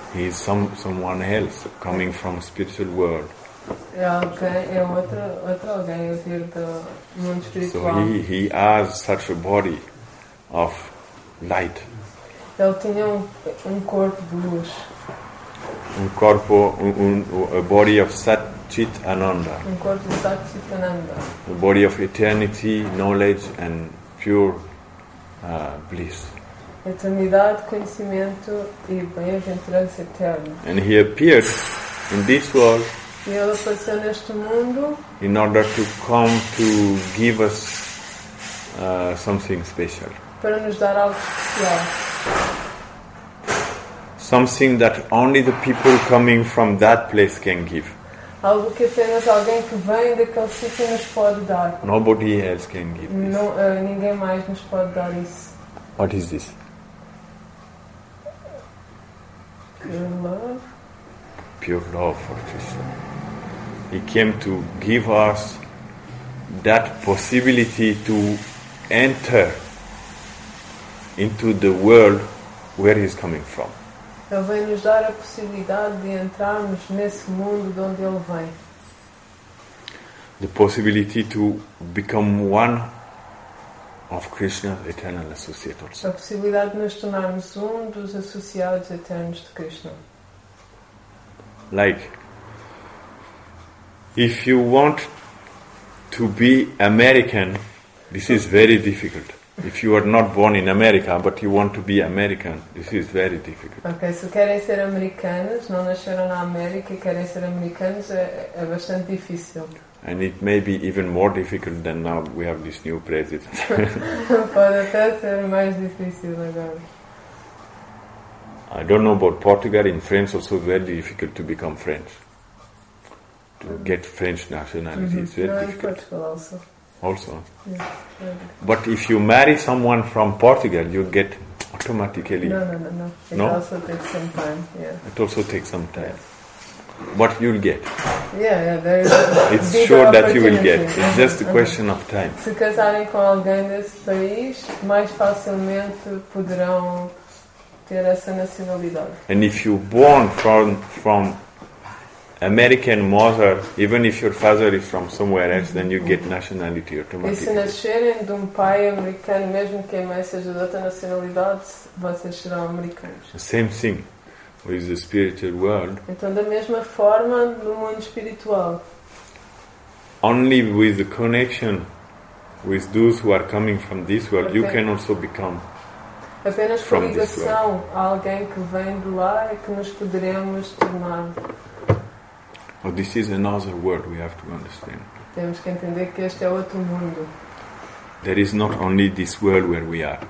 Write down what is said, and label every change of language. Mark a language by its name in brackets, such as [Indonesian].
[English] He is someone else coming from spiritual world. [Portuguese] É alguém, é outro alguém a vir do mundo espiritual. [English] So he has such a body of light. [Portuguese] Ele tinha um corpo de luz. Um corpo, [English] a body of Sat-Chit-Ananda. [Portuguese] Um corpo de Sat-Chit-Ananda. [English] A body of eternity, knowledge and pure bliss. [Portuguese] Eternidade, conhecimento e bem-aventurança eterna. [English] And he appeared in this world. [Portuguese] E ele apareceu neste mundo. [English] In order to come to give us something special. [Portuguese] Para nos dar algo especial. [English] Something that only the people coming from that place can give. [Portuguese] Algo que apenas alguém que vem daquele sítio nos pode dar. [English] Nobody else can give this. [Portuguese] Não, ninguém mais nos pode dar isso. [English] What is this? Pure love. Pure love for Krishna. He came to give us that possibility to enter into the world where he is coming from. [Portuguese] Ele vem nos dar a possibilidade de entrarmos nesse mundo de onde ele vem. [English] The possibility to become one of Krishna's eternal associates. [Portuguese] A possibilidade de nos tornarmos um dos associados eternos de Krishna. [English] Like, if you want to be American, this is very difficult. If you are not born in America, but you want to be American, this is very difficult. [Portuguese] Okay, se querem ser americanos, não nasceram na América e querem ser americanos, é bastante difícil. [English] And it may be even more difficult than now we have this new president. [Portuguese] Pode até ser mais difícil agora. [English] I don't know about Portugal. In France, also very difficult to become French. To get French nationality is very difficult. In Portugal also. Also, but if you marry someone from Portugal, you get automatically. No. Also takes some time. Yeah. It also takes some time. What you'll get. Yeah. There is. It's sure that you will get. It's just a question of time. [Portuguese] Se casarem com alguém desse país, mais facilmente poderão ter essa nacionalidade. [English] And if you're born from American mother, even if your father is from somewhere else, then you get nationality automatically. [Portuguese] E se nascerem de um pai americano, mesmo que a mãe seja de outra nacionalidade, vocês serão americanos. [English] The same thing with the spiritual world. [Portuguese] Então, da mesma forma, no mundo espiritual. [English] Only with the connection with those who are coming from this world, okay. You can also become [Portuguese] apenas [English] from this world. [Portuguese] Apenas com ligação a alguém que vem de lá é que nos poderemos tornar. [English] Oh, this is another world we have to understand. [Portuguese] Temos que entender que este é outro mundo. [English] There is not only this world where we are.